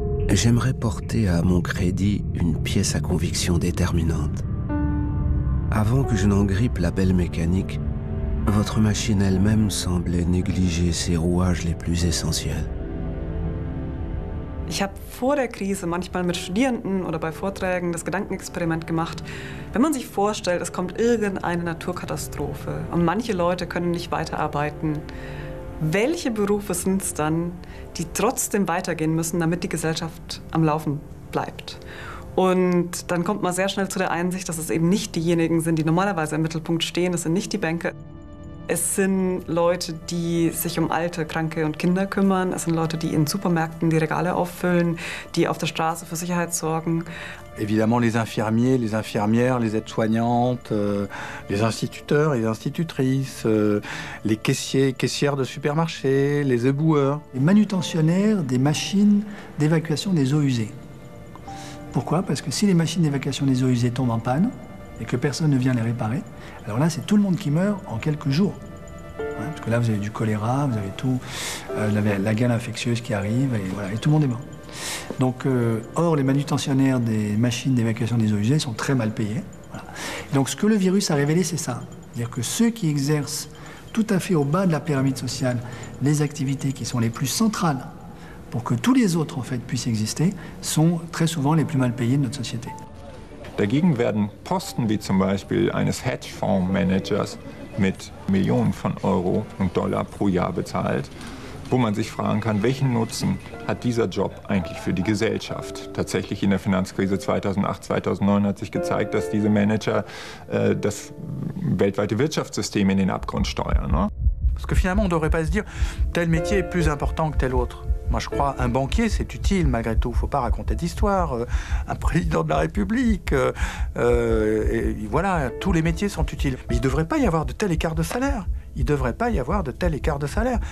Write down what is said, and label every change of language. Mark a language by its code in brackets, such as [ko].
[fr] J'aimerais porter à mon crédit une pièce à conviction déterminante. Avant que je n'en grippe la belle mécanique, votre machine elle-même semblait négliger ses rouages les plus essentiels. [de] Ich habe vor der Krise manchmal mit Studierenden oder bei Vorträgen das Gedankenexperiment gemacht. Wenn man sich vorstellt, es kommt irgendeine Naturkatastrophe und manche Leute können nicht weiterarbeiten, welche Berufe sind es dann, die trotzdem weitergehen müssen, damit die Gesellschaft am Laufen bleibt? Und dann kommt man sehr schnell zu der Einsicht, dass es eben nicht diejenigen sind, die normalerweise im Mittelpunkt stehen, es sind nicht die Banker. Es sind Leute, die sich um Alte, Kranke und Kinder kümmern. Es sind Leute, die in Supermärkten die Regale auffüllen, die auf der Straße für Sicherheit sorgen. [fr] Évidemment, les infirmiers, les infirmières, les aides-soignantes, les instituteurs et les institutrices, les caissiers, caissières de supermarchés, les éboueurs. Les manutentionnaires des machines d'évacuation des eaux usées. Pourquoi ? Parce que si les machines d'évacuation des eaux usées tombent en panne et que personne ne vient les réparer, alors là, c'est tout le monde qui meurt en quelques jours. Hein, parce que là, vous avez du choléra, vous avez tout, la gale infectieuse qui arrive, et voilà, et tout le monde est mort. Donc, or, les manutentionnaires des machines d'évacuation des eaux usées sont très mal payés. Voilà. Donc, ce que le virus a révélé, c'est ça. C'est-à-dire que ceux qui exercent tout à fait au bas de la pyramide sociale les activités qui sont les plus centrales pour que tous les autres, en fait, puissent exister, sont très souvent les plus mal payés de notre société. [de] Dagegen werden Posten wie zum Beispiel eines Hedgefondsmanagers mit Millionen von Euro und Dollar pro Jahr bezahlt, wo man sich fragen kann, welchen Nutzen hat dieser Job eigentlich für die Gesellschaft? Tatsächlich in der Finanzkrise 2008, 2009 hat sich gezeigt, dass diese Manager das weltweite Wirtschaftssystem in den Abgrund steuern. Ne? [fr] Parce que finalement, on ne devrait pas se dire, tel métier est plus important que tel autre. Moi, je crois un banquier, c'est utile malgré tout. Il ne faut pas raconter d'histoire. Un président de la République, voilà, tous les métiers sont utiles. Mais il ne devrait pas y avoir de tel écart de salaire. Il ne devrait pas y avoir de tel écart de salaire.